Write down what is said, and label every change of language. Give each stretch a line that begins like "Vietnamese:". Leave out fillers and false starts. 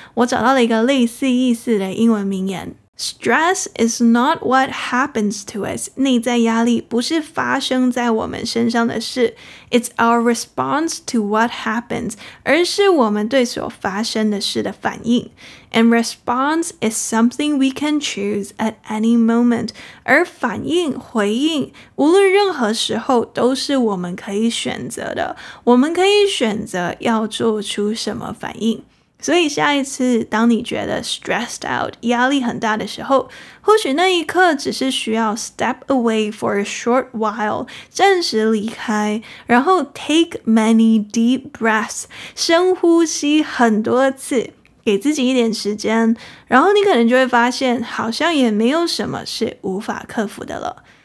Chinese: 我找到了一个类似意思的英文名言，
English: Stress is not what happens to us.
Chinese: 内在压力不是发生在我们身上的事。
English: It's our response to what happens.
Chinese: 而是我们对所发生的事的反应。
English: And response is something we can choose at any moment.
Chinese: 而反应、回应，无论任何时候都是我们可以选择的。我们可以选择要做出什么反应。所以下一次当你觉得
English: stressed out，
Chinese: 压力很大的时候，或许那一刻只是需要
English: step away for a short while，
Chinese: 暂时离开，然后
English: take many deep breaths，
Chinese: 深呼吸很多次，给自己一点时间，然后你可能就会发现好像也没有什么是无法克服的了。